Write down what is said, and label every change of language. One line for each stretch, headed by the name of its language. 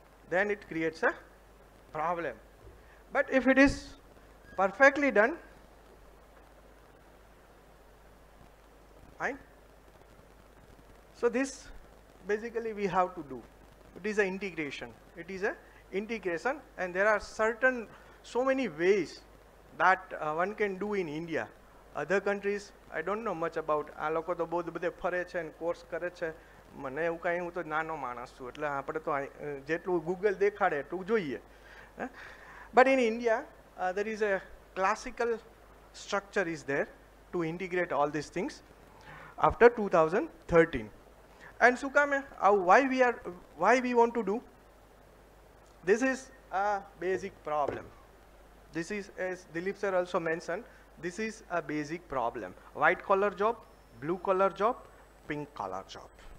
English: Then it creates a problem but if it is perfectly done fine so this basically we have to do it is a integration it is a integration and there are certain so many ways that one can do in India. Other countries, I don't know much about.
Gujarati: આ લોકો તો બહુ બધે ફરે છે અને course કરે છે. મને એવું કાંઈ હું તો નાનો માણસ છું એટલે આપણે તો જેટલું ગૂગલ દેખાડે એટલું જોઈએ.
English: But in India there is a classical structure is there to integrate all this things after 2013. And
Gujarati: શું કામે આવું
English: Why we want to do this is a basic problem This is, as Dilip sir also mentioned, this is a basic problem. White collar job, blue collar job, pink collar job.